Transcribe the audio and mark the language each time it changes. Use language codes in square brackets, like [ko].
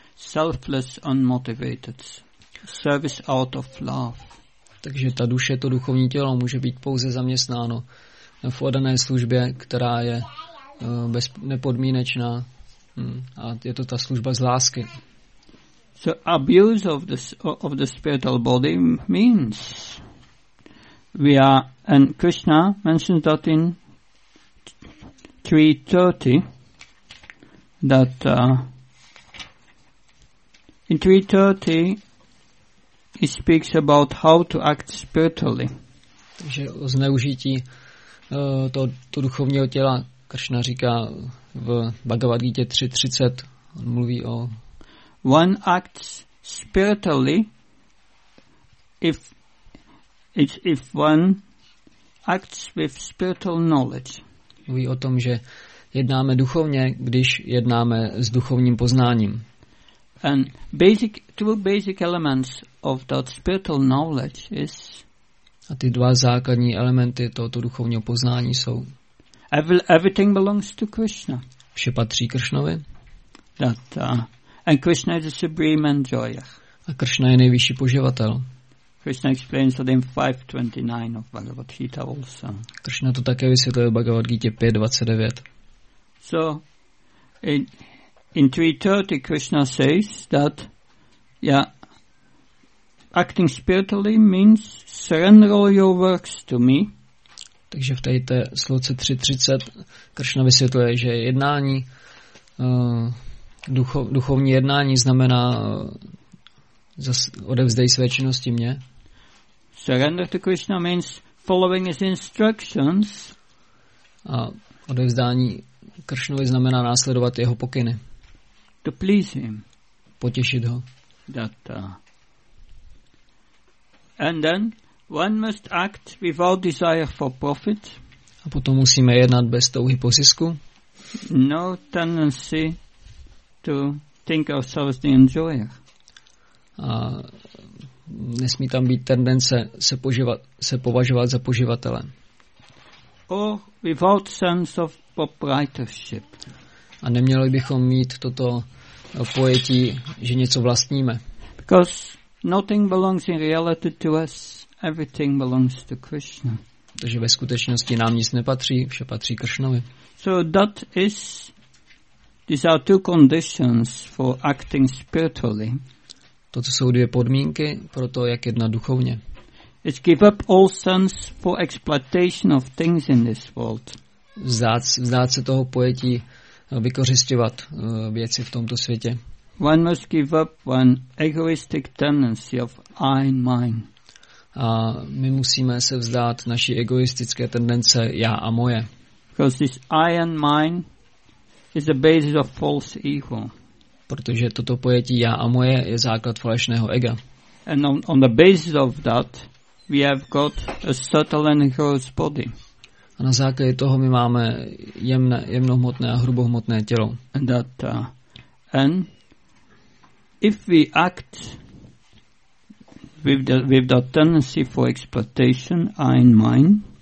[en] Selfless, unmotivated. Service out of love. [cs] Takže ta duše, to duchovní tělo může být pouze zaměstnáno v oddané službě, která je nepodmínečná a je to ta služba z lásky. [en] So abuse of the spiritual body means we are, and Krishna mentions that in 3:30 that in 3:30 he speaks about how to act spiritually. [cs] Takže o zneužití to duchovního těla Krishna říká v Bhagavad Gita 3:30. On mluví o [en] one acts spiritually if one acts with spiritual knowledge. [cs] Mluví o tom, že jednáme duchovně, když jednáme s duchovním poznáním. [en] And two basic elements of that spiritual knowledge is [cs] A ty dva základní elementy tohoto duchovního poznání jsou. [en] Everything belongs to Krishna. [cs] Vše patří Kršnovi. [en] That, and Krishna is the supreme enjoyer. [cs] A Kršna je nejvyšší poživatel. [en] Krishna explains that in 5:29 of Bhagavad Gita also. [cs] Kršna to také vysvětluje v Bhagavad Gita 5:29. [en] So in 3:30 Krishna says that acting spiritually means surrender all your works to me. [cs] Takže v této sloce 3:30 Kršna vysvětluje, že jednání duchovní jednání znamená odevzdej své činnosti mně. [en] Surrender to Krishna means following his instructions. [cs] A odevzdání Kršnovi znamená následovat jeho pokyny. [en] To please him. [cs] Potěšit ho. [en] That, and then one must act without desire for profit. [cs] A potom musíme jednat bez touhy po zisku. [en] No tendency to think ourselves the enjoyer. [cs] A nesmí tam být tendence se považovat za poživatele. [en] Or without sense of proprietorship. [cs] A neměli bychom mít toto pojetí, že něco vlastníme. [en] Because nothing belongs in reality to us. Everything belongs to Krishna. [cs] Takže ve skutečnosti nám nic nepatří, vše patří Kršnovi. [en] So that is, these are two conditions for acting spiritually. [cs] Toto jsou dvě podmínky pro to, jak jednat duchovně. [en] It's give up all sense for exploitation of things in this world. [cs] Vzdát se toho pojetí vykořisťovat věci v tomto světě. [en] One must give up one egoistic tendency of I and mine. [cs] A my musíme se vzdát naší egoistické tendence já a moje. [en] Because this I and mine is the basis of false ego. [cs] Protože toto pojetí já a moje je základ falešného ega. [en] And on the basis of that we have got a subtle and gross body. [cs] A na základě toho my máme jemnohmotné a hrubohmotné tělo. [en] And that, and if we act with the tendency for exploitation, I and mine.